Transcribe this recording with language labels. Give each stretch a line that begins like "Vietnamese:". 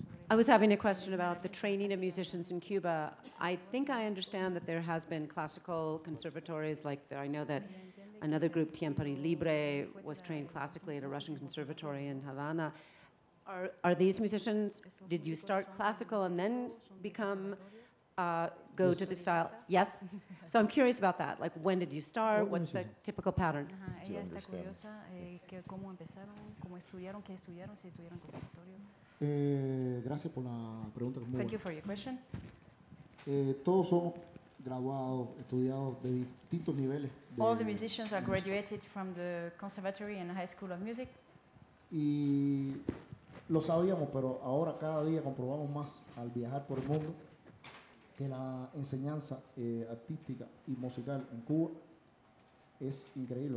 English: I was having a question about the training of musicians in Cuba. I think I understand that there has been classical conservatories, like there. I know that another group, Tiempari Libre, was trained classically at a Russian conservatory in Havana. Are these musicians, did you start classical and then become, go to the style? Yes? So I'm curious about that. Like, when did you start? What's the typical pattern?
Spanish: Ella está curiosa, cómo empezaron, cómo estudiaron, qué estudiaron, si estudiaron conservatorio. Gracias por la pregunta.
English: Thank you for your question.
Spanish: Todos somos graduados, estudiados de distintos niveles.
English: All the musicians are graduated from the conservatory and high school of music.
Spanish: Y lo sabíamos, pero ahora cada día comprobamos más al viajar por el mundo que la enseñanza artística y musical en Cuba es increíble.